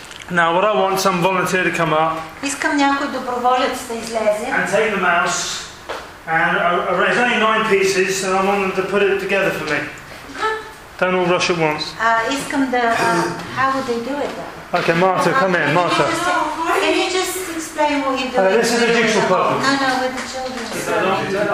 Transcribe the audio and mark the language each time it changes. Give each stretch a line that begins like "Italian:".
English: Now, what I want, some volunteer to come up.
Bulgarian: Искам някой доброволец да излезе.
English: And take the mouse. And there's only 9 pieces, and I want them to put it together for me. Don't all rush at once. How would they do it though? Okay, Marta, come in, Marta. Can you just explain what you're doing? This is a jigsaw puzzle. No, with the children.